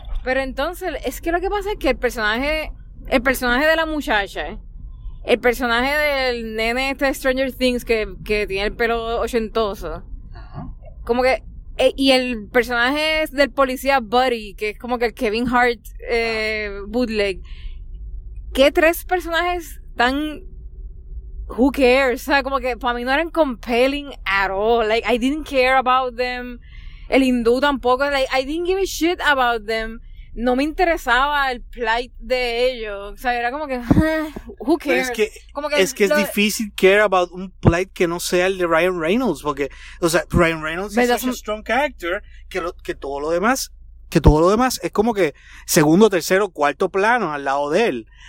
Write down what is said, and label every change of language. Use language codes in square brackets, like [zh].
[es] Pero entonces, es que lo que pasa es que el personaje de la muchacha, el personaje del nene este de Stranger Things que tiene el pelo ochentoso. Como que... Y el personaje es del policía Buddy, que es como que el Kevin Hart bootleg. ¿Qué tres personajes tan... [en] Who cares? [es] O sea, como que para mí no eran [en] compelling at all. Like, I didn't care about them. [es] El hindú tampoco. [en] Like, I didn't give a shit about them. [es] No me interesaba el plight de ellos. O sea, era como que... [en] Who cares? [es] Es difícil [en] care about [es] un plight que no sea el de Ryan Reynolds. Porque, o sea, Ryan Reynolds es [en] such a strong character [es] que todo lo demás es como que segundo, tercero, cuarto plano al lado de él.